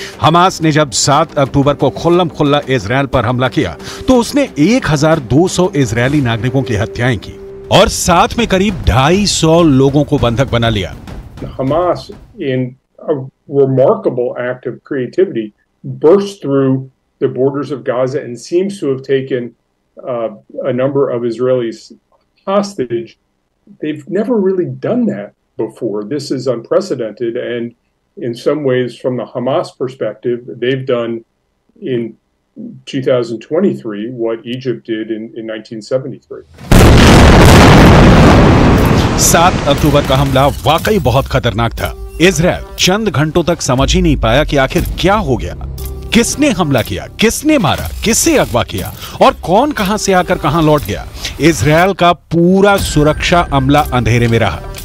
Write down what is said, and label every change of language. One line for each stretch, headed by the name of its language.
Hindi: Hamas ने जब 7 अक्टूबर को खुल्लम खुल्ला इजराइल पर हमला किया तो उसने 1200 इजरायली नागरिकों की हत्याएं की और साथ में करीब 250 लोगों को बंधक बना लिया।
English: Hamas in remarkable act of creativity burst through the borders of Gaza and seems to have taken a number of Israelis hostage. They've never really done that before. This is unprecedented, and in some ways, from the Hamas perspective, they've done in 2023 what Egypt did in 1973.
Hindi: 7 अक्टूबर का हमला वाकई बहुत खतरनाक था। Israel चंद घंटों तक समझ ही नहीं पाया कि आखिर क्या हो गया, किसने हमला किया, किसने मारा, किसे अगवा किया और कौन कहां से आकर कहां लौट गया। इजराइल का पूरा सुरक्षा अमला अंधेरे में रहा।